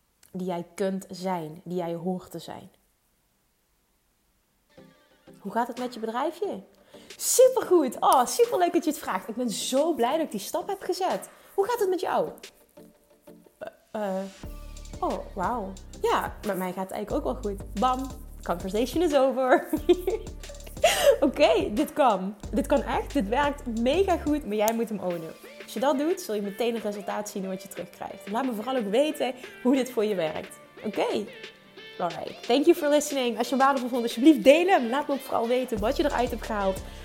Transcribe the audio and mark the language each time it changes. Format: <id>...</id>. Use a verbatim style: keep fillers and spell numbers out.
<nl>Die jij kunt zijn, die jij hoort te zijn. Hoe gaat het met je bedrijfje? Supergoed! Oh, superleuk dat je het vraagt. Ik ben zo blij dat ik die stap heb gezet. Hoe gaat het met jou? Uh, uh, oh, wauw. Ja, met mij gaat het eigenlijk ook wel goed.</nl> <en>Bam, conversation is over.</en> <nl>Oké, okay, dit kan. Dit kan echt. Dit werkt mega goed, maar jij moet hem ownen. Als je dat doet, zul je meteen een resultaat zien wat je terugkrijgt. Laat me vooral ook weten hoe dit voor je werkt. Oké? Okay.</nl> <en>Alright, thank you for listening.</en> <nl>Als je hem waardevol vond, alsjeblieft delen. Laat me ook vooral weten wat je eruit hebt gehaald.</nl>